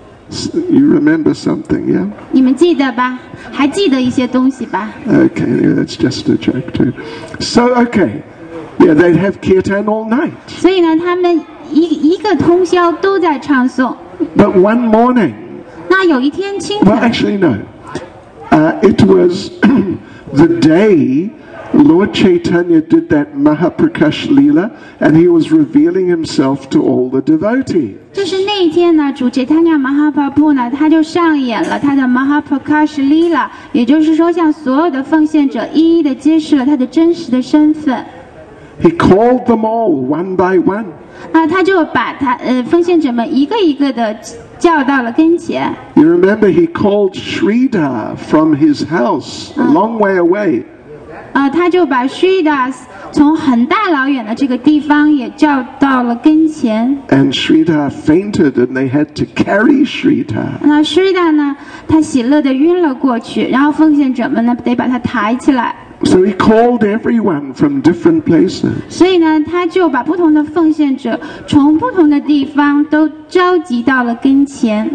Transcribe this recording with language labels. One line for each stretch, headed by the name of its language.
English: You remember something, yeah?
Chinese: 你们记得吧？还记得一些东西吧
English: ？Okay, yeah, that's just a joke too. So, okay, yeah, they'd have kirtan all night.
Chinese: 所以呢，他们一个通宵都在唱诵。
English: But one morning.
Chinese: 那有一天清
English: 晨。Well, actually, no. It was the day Lord Chaitanya did that Mahaprakash Lila, and he was revealing himself to all the devotees.
Chinese: 就是那一天呢，主 Chaitanya Mahaprabhu 呢，他就上演了他的 Mahaprakash Lila， 也就是说，向所有的奉献者一一的揭示了他的真实的身份。
English: He called them all one by one。
Chinese: 啊，他就把他奉献者们一个一个的叫到了跟前。
English: You remember he called Sridhar from his house a long way away。
Chinese: 啊，他就把 Sridhar从很大老远的这个地方也叫到了跟前。
English: And Sridhar fainted, and they had to carry Sridhar.
Chinese: 那 Sridhar 呢？他喜乐的晕了过去，然后奉献者们呢，得把他抬起来。
English: So he called everyone from different places.
Chinese: 所以呢，他就把不同的奉献者从不同的地方都召集到了跟前。